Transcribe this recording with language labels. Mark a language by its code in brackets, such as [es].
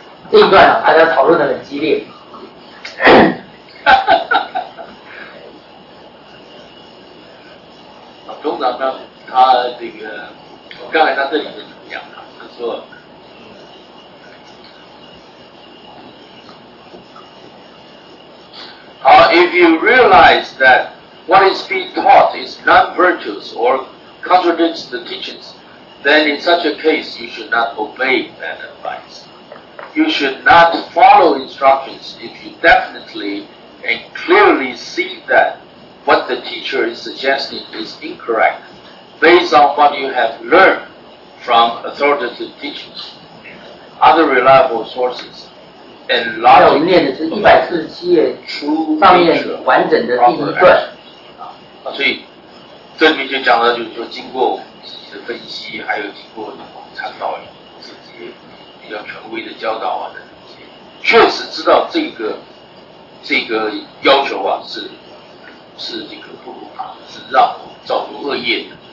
[zh] 这一段大家讨论的很激烈。通常呢，他这个刚才他这里是怎么讲的？他说，好 [en] ，if you realize that what is being taught is non-virtuous or contradicts the teachings, then in such a case you should not obey that advice. You should not follow instructions if you definitely and clearly see that what the teacher is suggesting is incorrect based on what you have learned from authoritative teachings, other reliable sources, and logical. [zh] 我们念的是147页上面完整的第一段。啊，所以这里面就讲到，就是说经过分析，还有经过参考这些。比较权威的教导啊，确实知道这个要求啊是这个不如法，是让我造福恶业的。